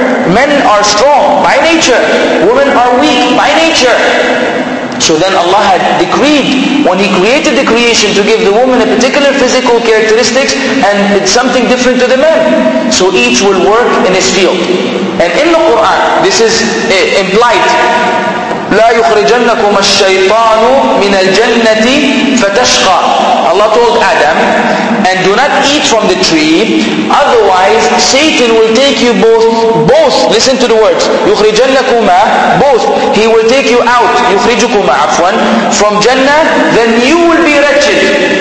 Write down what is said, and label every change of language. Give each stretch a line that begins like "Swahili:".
English: Men are strong by nature, women are weak by nature. So then Allah had decreed, when He created the creation, to give the woman a particular physical characteristics, and it's something different to the men. So each will work in his field. And in the Quran, this is implied.
Arabic: لا يخرجنكم الشيطان من الجنة فتشقى.
English: Allah told Adam, and do not eat from the tree, otherwise Satan will take you both, listen to the words, يخرجنكما, both, he will take you out,
Arabic: يخرجكما عفوا,
English: from Jannah, then you will be wretched.